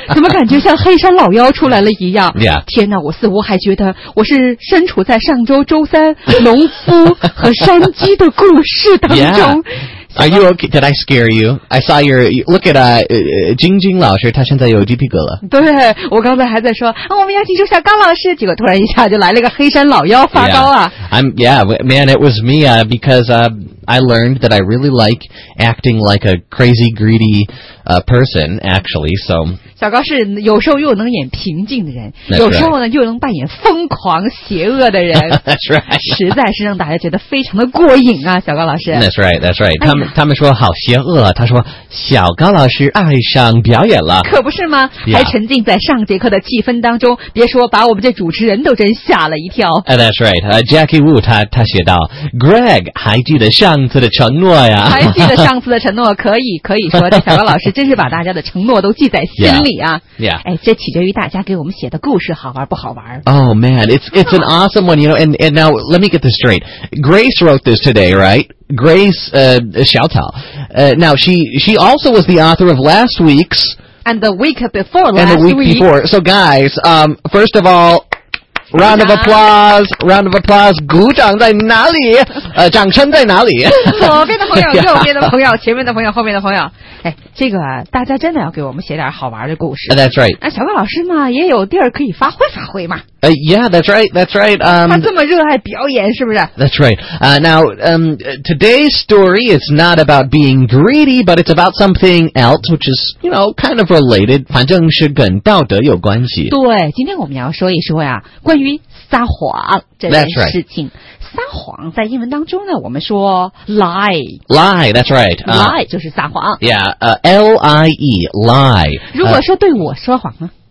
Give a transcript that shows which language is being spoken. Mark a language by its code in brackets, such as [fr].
[zh] 怎么感觉像黑山老妖出来了一样？天哪，我似乎还觉得我是身处在上周周三农夫和山鸡的故事当中。 [en] Are you okay? Did I scare you? I saw your, look at, 晶晶老师，她现在有鸡皮疙瘩。 [zh] 对，我刚才还在说，啊，我们要请出小刚老师，结果突然一下就来了个黑山老妖发刀啊。 [en] Man, it was me, because, I learned that I really like acting like a crazy greedy, person, actually, so. [zh] 小高是有时候又能演平静的人、 [en] right. [zh] 有时候呢又能扮演疯狂邪恶的人。 [en] That's right. [zh] 实在是让大家觉得非常的过瘾啊，小高老师。 [en] That's right, that's right. [zh] 他们说好邪恶，他说小高老师爱上表演了。可不是吗、 [en] yeah. [zh] 还沉浸在上节课的气氛当中，别说把我们这主持人都真吓了一跳。 That's right. Jackie Wu, 他写道 Greg, 还记得上次的承诺呀。还记得上次的承诺，可以说这小高老师真是把大家的承诺都记在心里啊。 [en] Yeah, yeah. [zh] 哎，这取决于大家给我们写的故事好玩不好玩。 [en] Oh man, it's an awesome one, you know, and now let me get this straight. Grace wrote this today, right? Grace, 小草。 Now she also was the author of last week's. And the week before last week. And the week before. So guys, first of all,Round of applause, round of applause, 鼓掌在哪里？掌声在哪里？ [zh] 左边的朋友，右边的朋友，前面的朋友，后面的朋友。哎，这个大家真的要给我们写点好玩的故事。 [en] That's right. [zh] 那小高老师嘛，也有地儿可以发挥发挥嘛。 [en] Yeah, that's right, that's right. [zh] 他这么热爱表演是不是？ [en] That's right. Now, today's story is not about being greedy, but it's about something else, which is, you know, kind of related. [zh] 反正是跟道德有关系。对，今天我们要说一说呀，关于撒谎这件事情。撒谎在英文当中呢，我们说 lie. [en] Lie, that's right. [zh] Lie 就是撒谎。 [en] Yeah, L-I-E, lie. [zh] 如果说对我说谎呢？